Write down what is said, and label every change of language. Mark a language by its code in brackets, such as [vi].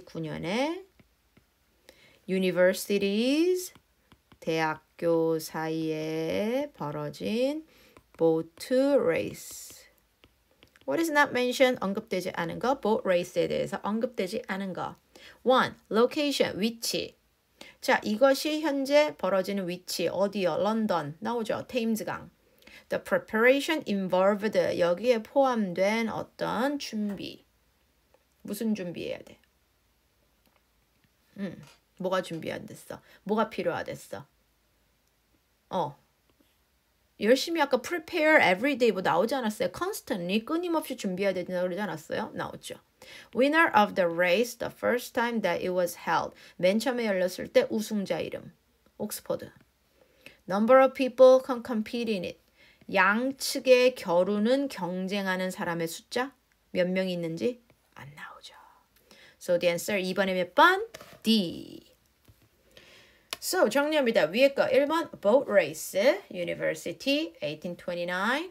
[ko] 1829년에 universities, 대학교 사이에 벌어진 boat race. [en] What is not mentioned? [ko] 언급되지 않은 거. Boat race에 대해서 언급되지 않은 거. [en] One, location, 위치. [ko] 자, 이것이 현재 벌어지는 위치. 어디요? 런던. 나오죠? 테임즈강. [en] The preparation involved. [ko] 여기에 포함된 어떤 준비. 무슨 준비해야 돼? 뭐가 준비 안 됐어? 뭐가 필요하댔어? 열심히 아까 [en] prepare every day [ko] 뭐 나오지 않았어요? Constantly, 끊임없이 준비해야 된다고 그러지 않았어요? 나오죠. [en] Winner of the race, the first time that it was held. [ko] 맨 처음에 열렸을 때 우승자 이름. 옥스퍼드. [en] Number of people can compete in it. [ko] 양측의 겨루는 경쟁하는 사람의 숫자? 몇 명이 있는지? 안 나오죠. [en] So the answer, [ko] 이번에 몇 번? D. So, 정리합니다. 위에 거 1번, boat race, university, 1829.